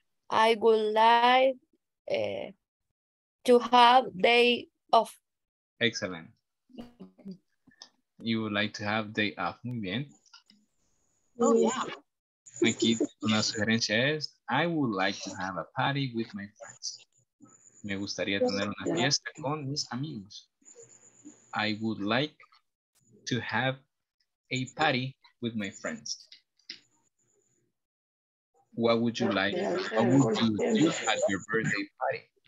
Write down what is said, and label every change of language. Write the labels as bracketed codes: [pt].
[en] I would like to have day off. Excellent. You would like to have day off. [es] Muy bien. [en] Oh, yeah. [es] Aquí una sugerencia es, [en] I would like to have a party with my friends. [es] Me gustaría tener una fiesta con mis amigos. [en] I would like to have a party with my friends. What would you like? What would you do at your birthday party?